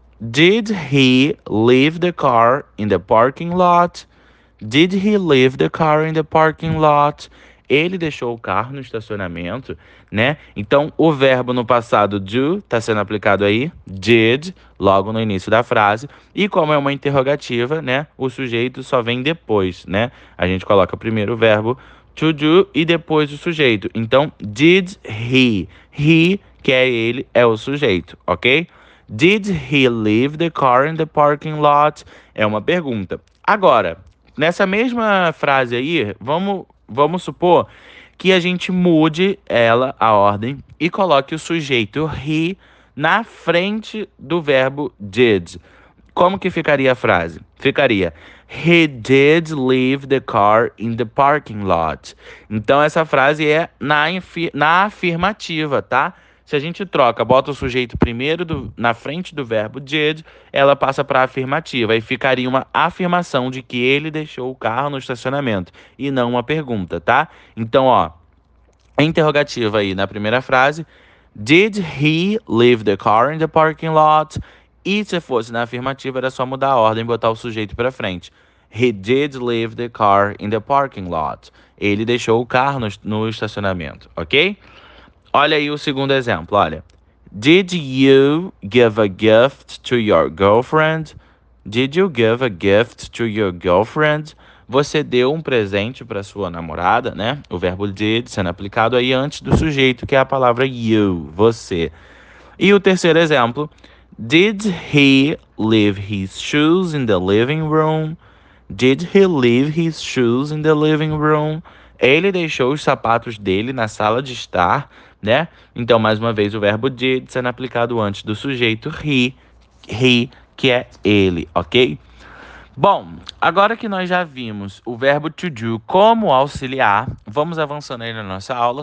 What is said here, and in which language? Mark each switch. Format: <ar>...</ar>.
<en>Did he leave the car in the parking lot? Did he leave the car in the parking lot?</en> <pt>Ele deixou o carro no estacionamento, né? Então, o verbo no passado do está sendo aplicado aí, did, logo no início da frase. E como é uma interrogativa, né? O sujeito só vem depois, né? A gente coloca primeiro o verbo to do e depois o sujeito. Então, did he. He, que é ele, é o sujeito, ok?</pt> <en>Did he leave the car in the parking lot?</en> <pt>É uma pergunta. Agora, nessa mesma frase aí, vamos supor que a gente mude ela, a ordem, e coloque o sujeito he na frente do verbo did. Como que ficaria a frase?</pt> <en>Ficaria He did leave the car in the parking lot.</en> <pt>Então, essa frase é na afirmativa, tá? Se a gente troca, bota o sujeito primeiro na frente do verbo did, ela passa para a afirmativa. E ficaria uma afirmação de que ele deixou o carro no estacionamento e não uma pergunta, tá? Então, ó, interrogativa aí na primeira frase.</pt> <en>Did he leave the car in the parking lot?</en> <pt>E se fosse na afirmativa, era só mudar a ordem e botar o sujeito para frente.</pt> <en>He did leave the car in the parking lot.</en> <pt>Ele deixou o carro no estacionamento, ok? Olha aí o segundo exemplo, olha.</pt> <en>Did you give a gift to your girlfriend? Did you give a gift to your girlfriend?</en> <pt>Você deu um presente para sua namorada, né? O verbo did sendo aplicado aí antes do sujeito, que é a palavra you, você. E o terceiro exemplo:</pt> <en>Did he leave his shoes in the living room? Did he leave his shoes in the living room?</en> <pt>Ele deixou os sapatos dele na sala de estar, né? Então, mais uma vez, o verbo did sendo aplicado antes do sujeito he, que é ele, ok? Bom, agora que nós já vimos o verbo to do como auxiliar, vamos avançando aí na nossa aula.</pt>